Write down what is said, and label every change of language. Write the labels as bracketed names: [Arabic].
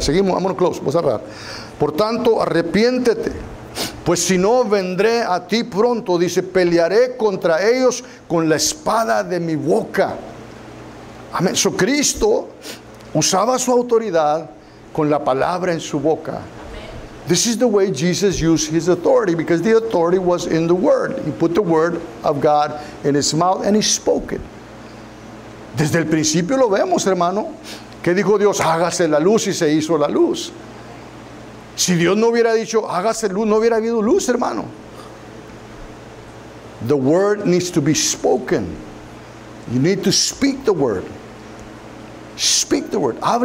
[Spanish] Seguimos, vámonos close, vamos a cerrar. Por tanto, arrepiéntete, pues si no vendré a ti pronto, dice, pelearé contra ellos con la espada de mi boca. Amén. So, Cristo usaba su autoridad con la palabra en su boca. [English] This is the way Jesus used his authority, because the authority was in the word. He put the word of God in his mouth and he spoke it. [Spanish] Desde el principio lo vemos, hermano. ¿Qué dijo Dios? Hágase la luz, y se hizo la luz. Si Dios no hubiera dicho hágase luz, no hubiera habido luz, hermano. [English] The word needs to be spoken. You need to speak the word. Speak the word.